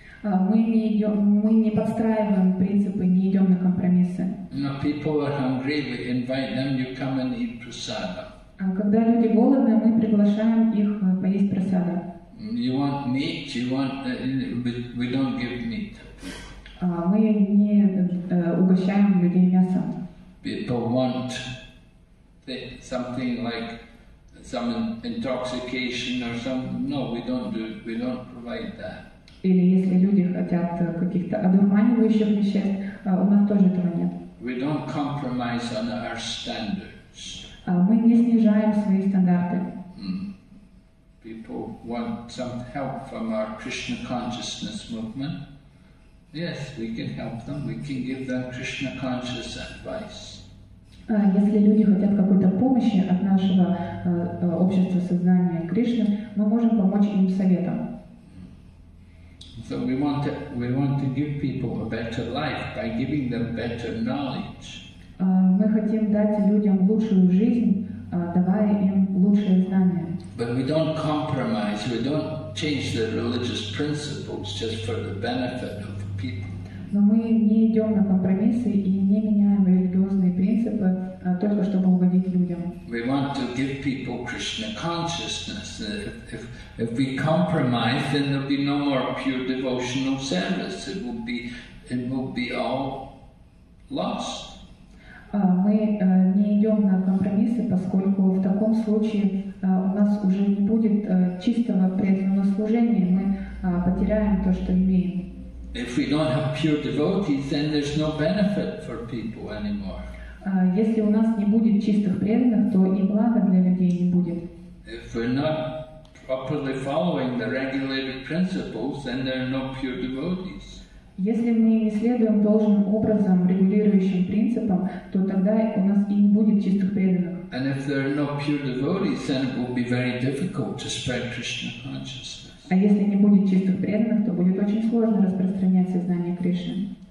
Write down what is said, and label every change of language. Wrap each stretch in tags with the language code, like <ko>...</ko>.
<ru>Мы не подстраиваем принципы, не идем на компромиссы.</ru> <en>No, people are hungry, we invite them, you come and eat prasada.</en> <ru>Когда люди голодны, мы приглашаем их поесть прасада.</ru> <en>You want meat, you want, we don't give meat. Мы не угощаем людей мясом. People want something like some intoxication or something. No, we don't provide that.</en> <ru>Или если люди хотят каких-то одурманивающих веществ, у нас тоже этого нет.</ru> <en>We don't compromise on our standards.</en> <ru>Мы не снижаем свои стандарты.</ru> <en>People want some help from our Krishna consciousness movement. Yes, we can help them. We can give them Krishna conscious advice.</en> <ru>Если люди хотят какой-то помощи от нашего общества сознания Кришны, мы можем помочь им советом.</ru> <en>So we want to give people a better life by giving them better knowledge.</en> <ru>Мы хотим дать людям лучшую жизнь, давая им лучшие знания.</ru> <en>But we don't compromise, we don't change the religious principles just for the benefit of the people.</en> <ru>Но мы не идем на компромиссы и не меняем религиозные принципы только чтобы угодить людям.</ru> <en>We want to give people Krishna consciousness. If we compromise, then there'll be no more pure devotional service. It will be all lost.</en> <ru>Мы не идем на компромиссы, поскольку в таком случае у нас уже не будет чистого преданного служения, мы потеряем то, что имеем.</ru> <en>If we don't have pure devotees, then there's no benefit for people anymore.</en> <ru>Если у нас не будет чистых преданных, то и блага для людей не будет.</ru> <en>If we're not properly following the regulated principles, then there are no pure devotees.</en> <ru>Если мы не следуем должным образом, регулирующим принципам, то тогда у нас и не будет чистых преданных.</ru> <en>And if there are no pure devotees, then it will be very difficult to spread Krishna consciousness.</en> <ru>А если не будет чистых преданных, то будет очень сложно распространять сознание Кришны.</ru>